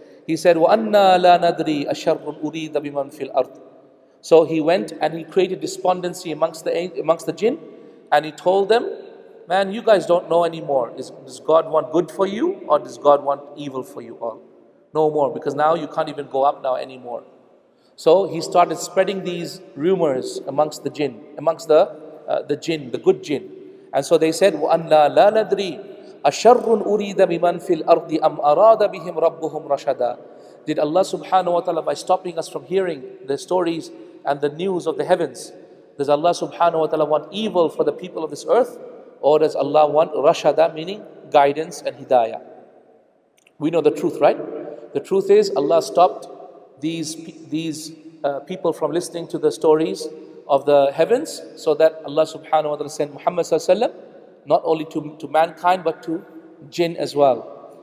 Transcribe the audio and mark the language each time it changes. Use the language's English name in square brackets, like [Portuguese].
[English] He said, [Arabic] وَأَنَّا لَا نَدْرِي أَشَرٌ أُرِيدَ بِمَنْ فِي الْأَرْضِ. [English] So he went and he created despondency amongst the jinn, and he told them, man, you guys don't know anymore. Does God want good for you, or does God want evil for you all? No more, because now you can't even go up now anymore. So he started spreading these rumors amongst the jinn, the good jinn. And so they said, [Arabic] وَأَنَّا لَا نَدْرِي أَشَرٌ أُرِيدَ بِمَنْ فِي الْأَرْضِ أَمْ أَرَادَ بِهِمْ رَبُّهُمْ رَشَدًا. [English] Did Allah subhanahu wa ta'ala, by stopping us from hearing the stories and the news of the heavens, does Allah subhanahu wa ta'ala want evil for the people of this earth, or does Allah want rashada, meaning guidance and hidayah? We know the truth, right? The truth is Allah stopped these people from listening to the stories of the heavens, so that Allah subhanahu wa ta'ala sent Muhammad sallallahu alayhi wa sallam, not only to mankind, but to jinn as well.